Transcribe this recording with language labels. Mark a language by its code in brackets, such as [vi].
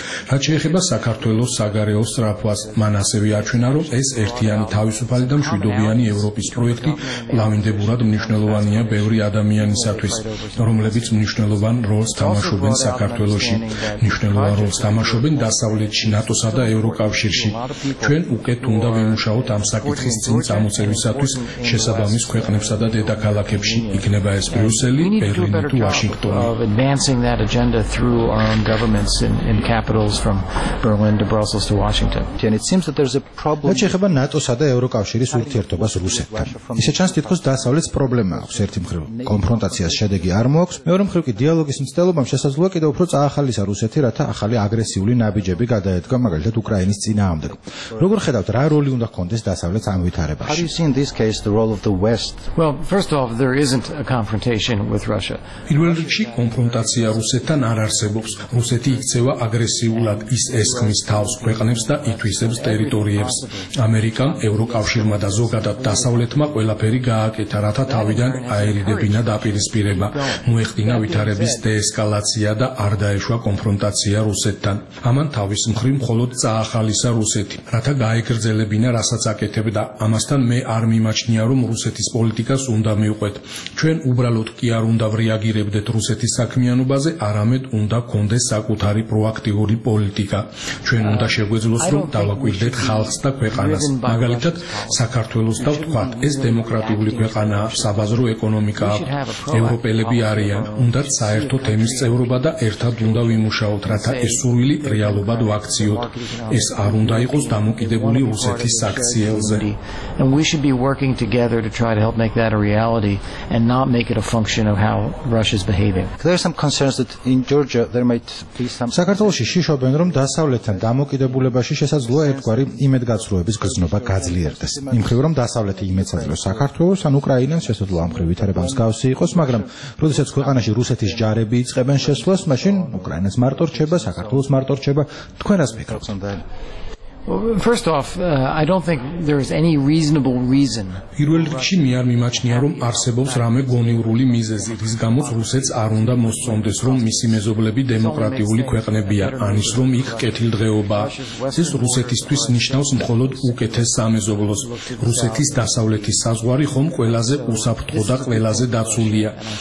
[ka] რაც შეეხება საქართველოს საგარეო სწრაფვას, მან ასევე აჩვენა, რომ ეს ერთიანი თავისუფალი და მშვიდობიანი ევროპის პროექტი კვლავინდებურად მნიშვნელოვანია ბევრი ადამიანისათვის, რომლებიც მნიშვნელოვან როლს თამაშობენ საქართველოში, მნიშვნელოვან როლს თამაშობენ დასავლეთში, ნატოსა და ევროკავშირში. ჩვენ უკეთ უნდა ვიმუშაოთ ამ საკითხის წინ წამოწევისათვის შესაბამის ქვეყნებსა და დედაქალაქებში, იქნება ეს ბრიუსელი, ბერლინი თუ ვაშინგტონი. [en] Advancing that agenda through our own governments in capitals from Berlin to Brussels to Washington. And it seems that there's a problem. [ka] Ну, შეიძლება ნატოსა და ევროკავშირის ურთიერთობას რუსეთთან. ისე ჩანს, თითქოს დასავლეთს პრობლემა აქვს ერთი მხრივ. კონფრონტაციას შედეგი არ მოაქვს, მეორე მხრივ კი დიალოგის მცდელობამ შესაძლოა კიდევ უფრო წაახალისა რუსეთი, რათა ახალი აგრესიული ნაბიჯები გადაედგა მაგალითად უკრაინის წინააღმდეგ. როგორ ხედავთ, რა როლი უნდა ჰქონდეს დასავლეთს ამ ვითარებაში? [en] How do you see in this case the role of the West? Well, first of all, there isn't a confrontation with Russia. [ka] კონფრონტაცია რუსეთთან არ არსებობს. რუსეთი იქცევა აგრესიულად, ის ესხმის თავს ქვეყნებს და ითვისებს ტერიტორიებს. ამერიკამ, ევროკავშირმა და ზოგადად დასავლეთმა ყველაფერი გააკეთა, რათა თავიდან აერიდებინა დაპირისპირება, მოეხდინა ვითარების დეესკალაცია და არ დაეშვა კონფრონტაცია რუსეთთან. ამან თავის მხრივ მხოლოდ წაახალისა რუსეთი, რათა გაეგრძელებინა რასაც აკეთებდა. ამასთან მე არ მიმაჩნია, რომ რუსეთის პოლიტიკას უნდა მიუყვეთ. ჩვენ უბრალოდ კი არ უნდა ვრეაგირებდეთ რუსეთის საქმიანობაზე, არამედ უნდა კონდეს საკუთარი პროაქტიური პოლიტიკა. ჩვენ უნდა შეგვეძლოს, რომ დავაკვირდეთ ხალხს და ქვეყანას, მაგალითად საქართველოს და ვთქვათ, ეს დემოკრატიული ქვეყანაა, საბაზრო ეკონომიკა აქვს, ევროპელები არიან, უნდათ საერთო თემის წევრობა და ერთად უნდა ვიმუშაოთ, რათა ეს სურვილი რეალობად ვაქციოთ. ეს არ უნდა იყოს დამოკიდებული რუსეთის საქციელზე. [en] And we should be working together to try to help make that a reality and not make it a function of how Russia's behaving. There are some concerns that in Georgia there might be some [ka] საქართველოში შიშობენ, რომ დასავლეთთან დამოკიდებულებაში შესაძლოა ერთგვარი იმედგაცრუების გრძნობა გაძლიერდეს. იმხრივ რომ დასავლეთი იმედგაცრუებს საქართველოს ან უკრაინას, შესაძლოა ამ ხრივითარება მსგავსი იყოს, მაგრამ როდესაც ქვეყანაში რუსეთის ჯარები იწყებენ შესვლას, მაშინ უკრაინას მარტო რჩება, საქართველოს მარტო რჩება. თქვენ რას ფიქრობთ? [en] First off, I don't think there is any reasonable reason. [ka] პირველ რიგში მე არ მიმაჩნია, რომ არსებობს რამე გონივრული მიზეზი, რის გამოც რუსეთს არ უნდა მოსწონდეს, რომ მისი მეზობლები დემოკრატიული ქვეყნებია, ანის რომ იქ კეთილდღეობა. ეს რუსეთისთვის ნიშნავს მხოლოდ უკეთეს სამეზობლოს. რუსეთის დასავლეთის საზღვარი ხომ ყველაზე უსაფრთხო და ყველაზე დაცულია.